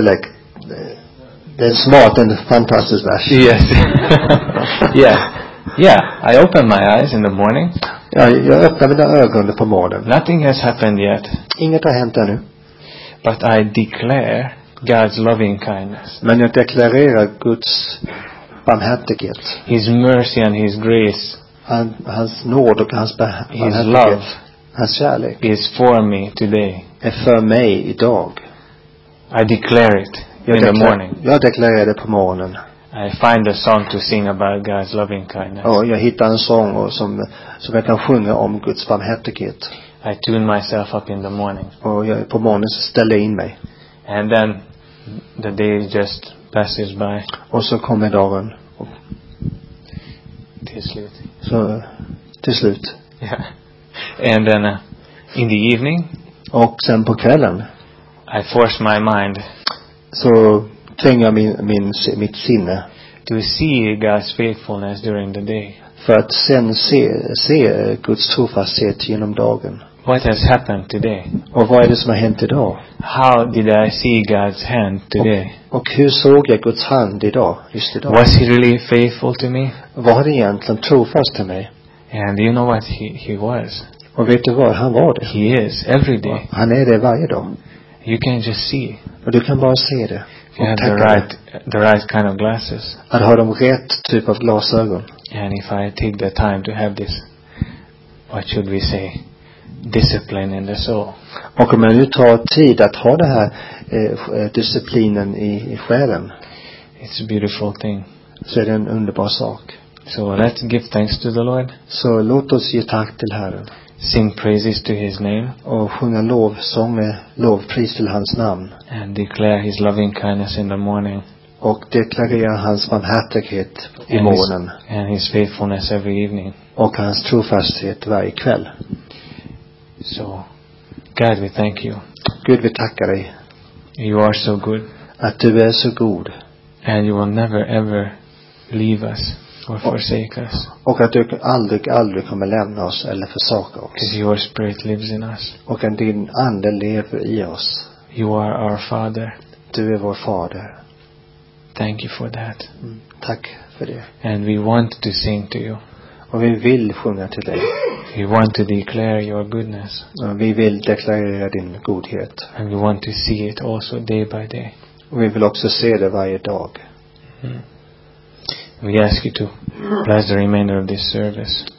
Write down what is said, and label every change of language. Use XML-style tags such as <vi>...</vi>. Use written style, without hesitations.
<en>like</en> <sv>det är smart</sv> <en>and fantastic</en> <sv>vers.</sv> <en>Yes. Yeah. Yeah, I open my eyes in the morning.</en> <sv>Ja, jag öppnar mina ögon på morgonen.</sv> <en>Nothing has happened yet.</en> <sv>Inget har hänt ännu.</sv> <en>But I declare God's loving kindness.</en> <sv>Men jag deklarerar Guds barmhärtighet.</sv> <en>His mercy and his grace.</en> <sv>Hans nåd och hans barmhärtighet.</sv> <en>His love.</en> <sv>Hans kärlek.</sv> <en>Is for me today.</en> <sv>Är för mig idag.</sv> <en>I declare it in the morning.</en> <sv>Jag deklarerar det på morgonen.</sv> <en>I find a song to sing about God's loving kindness.</en> <sv>Och jag hittar en sång som jag kan sjunga om Guds barmhärtighet.</sv> <en>I tune myself up in the morning.</en> <sv>Och jag på morgonen så ställer in mig.</sv> <en>And then the day just passes by.</en> <sv>Och så kommer dagen. Till slut. Så till slut.</sv> <en>Yeah. And then in the evening.</en> <sv>Och sen på kvällen.</sv> <en>I force my mind.</en> <sv>Så tvingar mitt sinne.</sv> <en>To see God's faithfulness during the day.</en> <sv>För att sen se Guds trofasthet genom dagen.</sv> <en>What has happened today?</en> <sv>Och vad är det som har hänt idag?</sv> <en>How did I see God's hand today?</en> <sv>Och hur såg jag Guds hand idag, just idag?</sv> <en>Was he really faithful to me?</en> <sv>Var han egentligen trofast till mig?</sv> <en>And you know what he was?</en> <sv>Och vet du vad han var det?</sv> <en>He is every day.</en> <sv>Och han är det varje dag.</sv> <en>You can just see.</en> <sv>Och du kan bara se det.</sv> <en>If you have the right kind of glasses.</en> <sv>Att ha de rätt typ av glasögon.</sv> <en>And if I take the time to have this, what should we say? Discipline in the soul.</en> <sv>Och om man nu tar tid att ha det här disciplinen i själen.</sv> <en>It's a beautiful thing.</en> <sv>Så är det en underbar sak.</sv> <en>So let's give thanks to the Lord.</en> <sv>Så låt oss ge tack till Herren.</sv> <en>Sing praises to his name.</en> <sv>Och sjunga lovsånger, lovpris till hans namn.</sv> <en>And declare his loving kindness in the morning.</en> <sv>Och deklarera hans barmhärtighet i morgonen.</sv> <en>And his faithfulness every evening.</en> <sv>Och hans trofasthet varje kväll.</sv> <en>So, God, we thank you.</en> <sv>Gud, vi tackar dig.</sv> <en>You are so good.</en> <sv>Att du är så god.</sv> <en>And you will never ever leave us or forsake us.</en> <sv>Och att du aldrig kommer lämna oss eller försaka oss.</sv> <en>Because your spirit lives in us.</en> <sv>Och att din ande lever i oss.</sv> <en>You are our father.</en> <sv>Du är vår fader.</sv> <en>Thank you for that.</en> <sv>Tack för det.</sv> <en>And we want to sing to you.</en> <sv>Och vi vill sjunga till dig.</sv> <en>We want to declare your goodness.</en> <sv>Vi vill deklarera din godhet.</sv> <en>And we want to see it also day by day.</en> <sv>Vi vill också se det varje dag.</sv> <en>We ask you to bless the remainder of this service.</en>